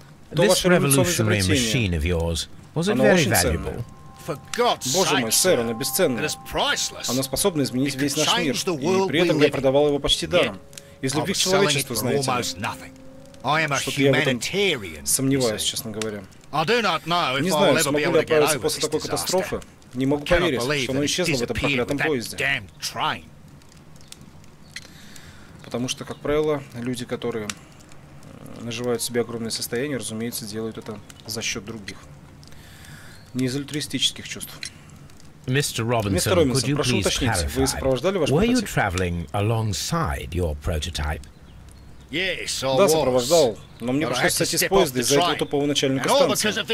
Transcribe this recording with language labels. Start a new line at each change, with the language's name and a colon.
English: This revolutionary machine of yours was it very valuable?
Russian: Боже мой, сэр, оно бесценно. Оно способно изменить весь наш мир, и при этом я продавал его почти даром. Из любви к человечеству, знаете. Что-то я в этом сомневаюсь, честно говоря. Не знаю, смогу ли я оправиться после такой катастрофы. Не могу поверить, что оно исчезло в этом проклятом поезде. Потому что, как правило, люди, которые наживают себе огромное состояние, разумеется, делают это за счет других. Не из альтруистических чувств. Мистер Робинсон, прошу уточнить, вы сопровождали ваш прототип?
English: Were you traveling alongside your prototype? Yes, I was.
Russian: Да, сопровождал, но мне пришлось сойти с поезда из-за этого тупого начальника станции.